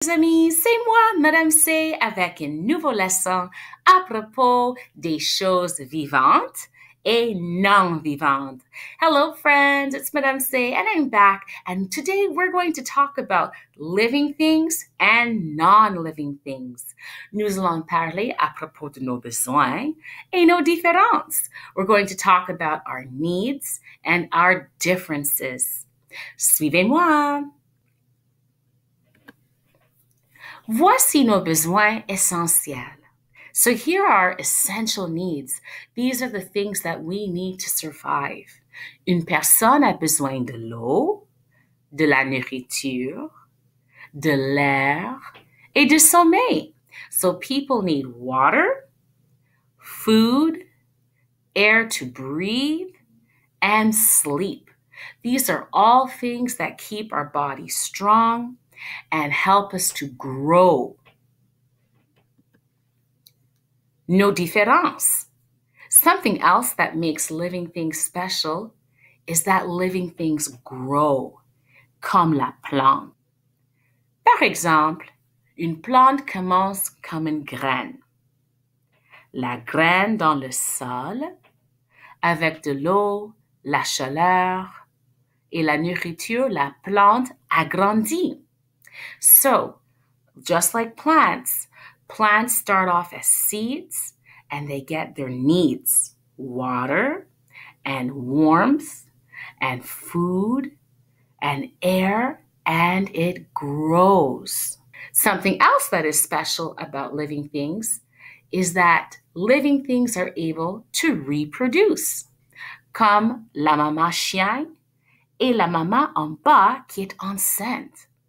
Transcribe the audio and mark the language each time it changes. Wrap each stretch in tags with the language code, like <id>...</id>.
<fr>Mes amis, c'est moi, Madame C, avec un nouveau leçon à propos des choses vivantes et non vivantes.</fr> <en>Hello friends, it's Madame C and I'm back, and today we're going to talk about living things and non-living things.</en> <fr>Nous allons parler à propos de nos besoins et nos différences.</fr> <en>We're going to talk about our needs and our differences.</en> <fr>Suivez-moi! Voici nos besoins essentiels.</fr> <en>So here are essential needs. These are the things that we need to survive.</en> <fr>Une personne a besoin de l'eau, de la nourriture, de l'air, et de sommeil.</fr> <en>So people need water, food, air to breathe, and sleep. These are all things that keep our body strong and help us to grow.</en> <fr>Nos différences.</fr> <en>Something else that makes living things special is that living things grow,</en> <fr>comme la plante. Par exemple, une plante commence comme une graine. La graine dans le sol, avec de l'eau, la chaleur et la nourriture, la plante a grandi.</fr> <en>So, just like plants, plants start off as seeds and they get their needs, water and warmth and food and air, and it grows. Something else that is special about living things is that living things are able to reproduce.</en> <fr>Comme la maman chien et la maman en bas qui est enceinte.</fr>